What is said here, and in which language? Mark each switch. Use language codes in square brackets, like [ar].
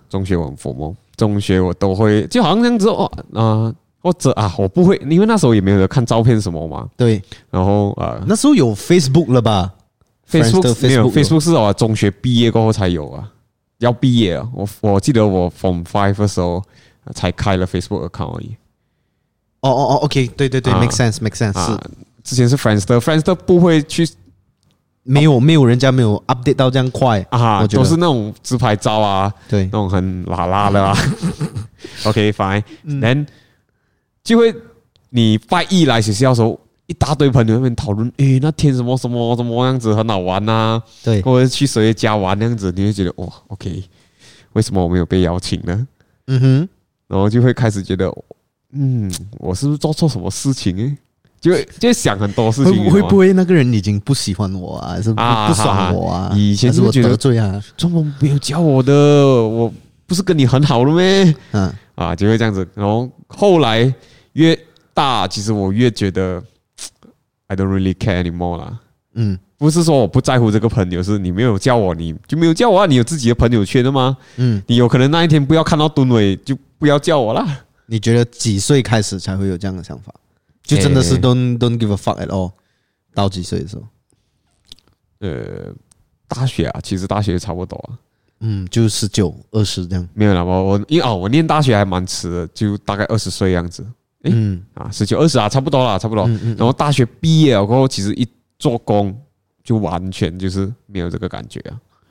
[zh] 中学我很 formal， 中学我都会就好像这样子、哦或者啊，我不会，因为那时候也没有看照片什么嘛，对，然后那时候有 Facebook 了吧， Facebook 没有， Facebook 是我中学毕业过后才有啊，要毕业了，我记得我 from five 的时候才开了 Facebook account 而已。哦哦哦 ，OK， 对对对、， [en] make sense，make sense, make sense、 [zh] 啊。之前是 Friendster 不会去，没有、哦、没有人家没有 update 到这样快啊，都是那种自拍照啊，对，那种很拉拉的啊。 [en] OK， fine， then、 [zh] 嗯、就会你拜一来学校的时候。一大堆朋友在那边讨论，哎、欸，那天什么什么什么样子很好玩啊，对，或者去谁家玩那样子，你会觉得哇 ，OK， 为什么我没有被邀请呢？嗯哼，然后就会开始觉得，嗯，我是不是做错什么事情、欸？就想很多事情，会不会那个人已经不喜欢我啊，还是 不爽我啊？啊以前是不是觉得这样，怎么没有叫我的？我不是跟你很好了咩？嗯、啊，就会这样子。然后后来越大，其实我越觉得。 [en] I don't really care anymore 啦。 [zh] 嗯，不是说我不在乎这个朋友，是你没有叫我，你就没有叫我啊。你有自己的朋友圈的吗？嗯，你有可能那一天不要看到敦伟，就不要叫我啦。你觉得几岁开始才会有这样的想法？就真的是 [en] don't give a fuck at all。 [zh] 到几岁的时候？大学啊，其实大学差不多啊。嗯，就19、20这样。没有啦，我因为哦，我念大学还蛮迟的，就大概20岁样子。嗯啊，19、20啊，差不多啦，差不多。然后大学毕业了过后，其实一做工就完全就是没有这个感觉啊。